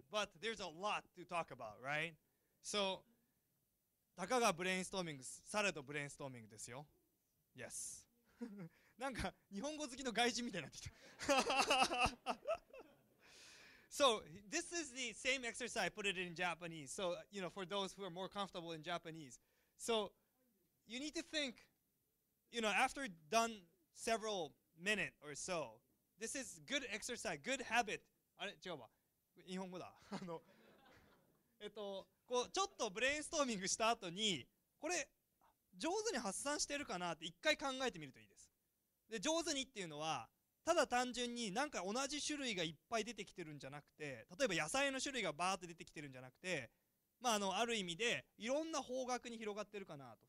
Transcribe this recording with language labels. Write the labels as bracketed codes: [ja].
[en] But there's a lot to talk about, right? [ja] So, たかがブレインストーミング、されどブレインストーミングですよ。 [en] Yes. [ja] なんか日本語好きの外人みたいになってきた。 [en] So, this is the same exercise, put it in Japanese. So, you know, for those who are more comfortable in Japanese. So, you need to think, you know, after done several minutes or so, this is good exercise, good habit. [ja] あれ、違うわ。日本語だ。こう、ちょっとブレインストーミングした後に、これ、上手に発散してるかなって一回考えてみるといいです。で、上手にっていうのは、ただ単純になんか同じ種類がいっぱい出てきてるんじゃなくて、例えば野菜の種類がバーって出てきてるんじゃなくて、まあ、ある意味でいろんな方角に広がってるかなと。